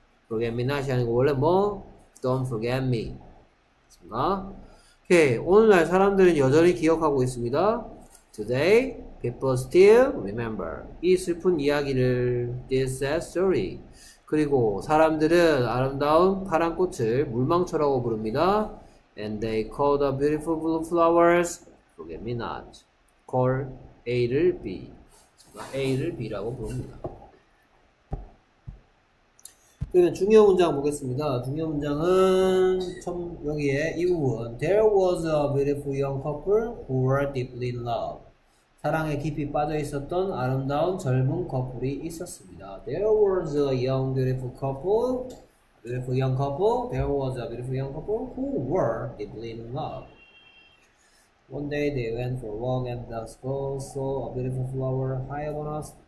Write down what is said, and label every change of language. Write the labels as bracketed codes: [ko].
[en] Forget me not이 아니고, 원래 뭐? Don't forget me. 아, 오케이. [ko] 오늘날 사람들은 여전히 기억하고 있습니다. [en] Today, people still remember. [ko] 이 슬픈 이야기를, [en] this sad story. [ko] 그리고 사람들은 아름다운 파란 꽃을 물망초라고 부릅니다. [en] And they call the beautiful blue flowers, forget me not. [ko] Call A를 B. A를 B라고 부릅니다. 그러면 중요 문장 보겠습니다. 중요 문장은, 여기에 이 부분. [en] There was a beautiful young couple who were deeply in love. [ko] 사랑에 깊이 빠져 있었던 아름다운 젊은 커플이 있었습니다. [en] There was a young beautiful couple, beautiful young couple. There was a beautiful young couple who were deeply in love. One day they went for a walk and the girl saw a beautiful flower high up on a.